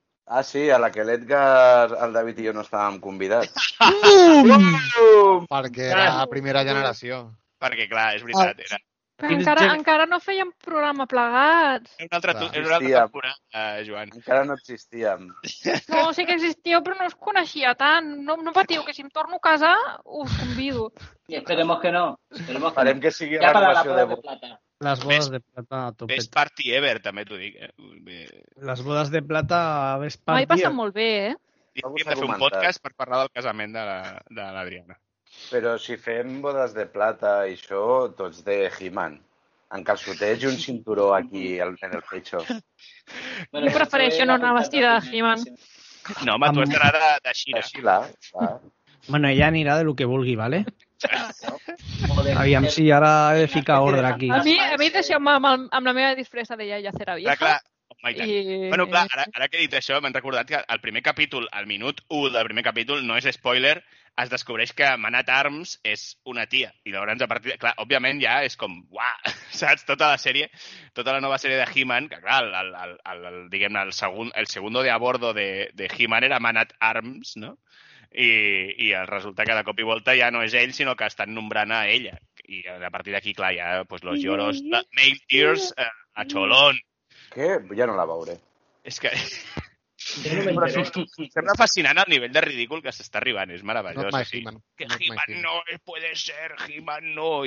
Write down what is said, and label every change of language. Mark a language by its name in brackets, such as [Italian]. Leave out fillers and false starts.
[Catalan] Ah, sí, a la que l'Edgar, el David i jo no estàvem convidats. Perquè era la primera generació. Perquè, clar, és veritat. Era. Però encara no fèiem programa plegats. Era una altra temporada, Joan. Encara no existíem. No, sí que existíeu, però no us coneixia tant. No, no patiu, que si em torno a casa, us convido. [Spanish] I esperemos que no. Esperemos [Catalan] farem que sigui la renovació de plata. Les bodes de plata a tope. [English] Best party ever, [Catalan] també t'ho dic. Les bodes de plata a best party. Mai passa molt bé, eh? Hem de fer un podcast per parlar del casament de l'Adriana. Però si fem bodes de plata i això, tots de He-Man. En calçotets i un cinturó aquí [Spanish] en el pecho. [Catalan] Jo prefereixo no anar vestida de He-Man. No, home, tu has d'anar de Xila. De Xila, va. Bueno, ella anirà de lo que vulgui, ¿vale? Aviam si ara he de ficar ordre aquí. A mi deixeu-me amb la meva disfressa de iaia cera vieja. mai tant. I... Bueno, clar, ara que he dit això, m'han recordat que el primer capítol, el minut 1 del primer capítol, no és spoiler, es descobreix que Man at Arms és una tia. I llavors, a partir de... Clar, òbviament, ja és com... Uah! Saps? Tota la sèrie, tota la nova sèrie de He-Man, que clar, diguem-ne, [Spanish] el segundo de a bordo [Catalan] de He-Man era Man at Arms, no? I resulta que de cop i volta ja no és ell, sinó que estan nombrant a ella. I a partir d'aquí, clar, ja, [Spanish] pues, los lloros, [English] the male tears, [Catalan] a xolón. Què? Ja no la veuré. És que... Sembla fascinant el nivell de ridícul que s'està arribant, és meravellós. [English] Not my He-Man. [Spanish] Que He-Man no puede ser, He-Man no...